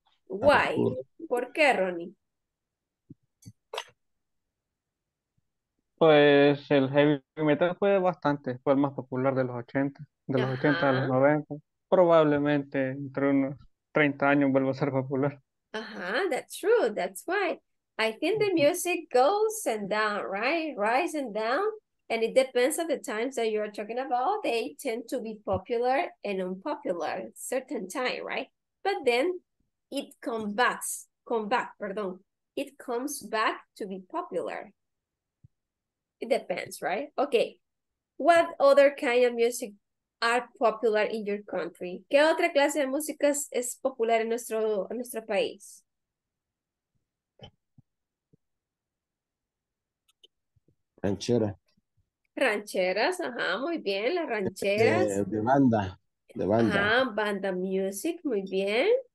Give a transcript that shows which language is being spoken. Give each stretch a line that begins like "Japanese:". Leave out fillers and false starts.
Spanish: Why? ¿Por qué, Ronnie? Pues el heavy metal fue bastante, fue el más popular de los 80, de los 80 a los 90. Probablemente entre unos 30 años vuelvo a ser popular.
English: That's true. That's why. I think the music goes and down, right? Rise and down. And it depends on the times that you're talking about. They tend to be popular and unpopular at a certain time, right? But then it comes back to be popular. It depends, right? Okay. What other kind of music are popular in your country?
Spanish: ¿Qué otra clase de música es popular en nuestro país? Ranchera. Rancheras, ajá, muy bien, las rancheras. De banda. De banda. Ah, banda music, muy bien.